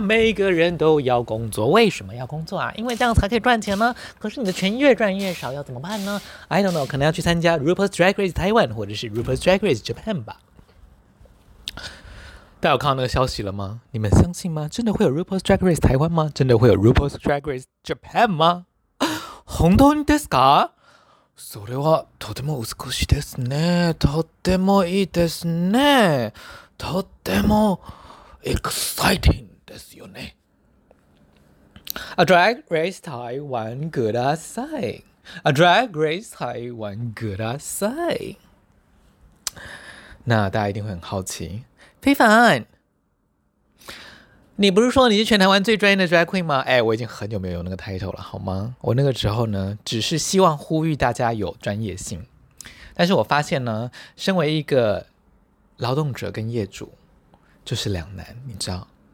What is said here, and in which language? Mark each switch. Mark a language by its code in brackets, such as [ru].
[zh] 每个人都要工作，为什么要工作啊？因为这样才可以赚钱呢。可是你的钱越赚越少，要怎么办呢 ？ [en] I don't know， [zh] 可能要去参加 RuPaul's Drag Race Taiwan 或者是 RuPaul's Drag Race Japan 吧。大家有看到那个消息了吗？你们相信吗？真的会有 RuPaul's Drag Race 台湾吗？真的会有 RuPaul's Drag Race Japan 吗？ [ja] 本当ですか？それはとても美しいですね。とってもいいですね。とってもエクサイティングですよね。 A Drag Race 台湾グダサイ。A Drag Race 台湾グダサイ。 [zh] 那大家一定会很好奇。非凡，你不是说你是全台湾最专业的 drag queen 吗？哎，我已经很久没有那个 title 了，好吗？我那个时候呢，只是希望呼吁大家有专业性。但是我发现呢，身为一个劳动者跟业主，就是两难，你知道？